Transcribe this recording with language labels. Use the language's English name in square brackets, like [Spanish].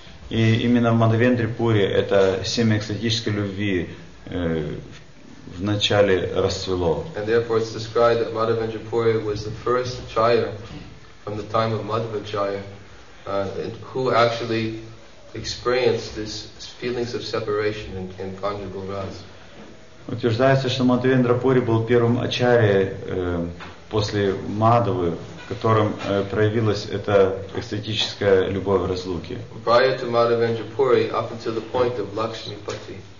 [Russian] И именно в Мадхава Вендрипури это семя экстатической любви вначале расцвело. [English] And therefore it's described that Mother Vendipuri was the first acharya from the time of Madhvacharya who actually experienced this feelings of separation in conjugal vows. [Russian] Утверждается, что Мадхавендра Пури был первым ачарьей после Мадхавы, в котором проявилась эта экстатическая любовь разлуки. [English] Prior to Мадхавендра Пури, up until the point of Лакшмипати.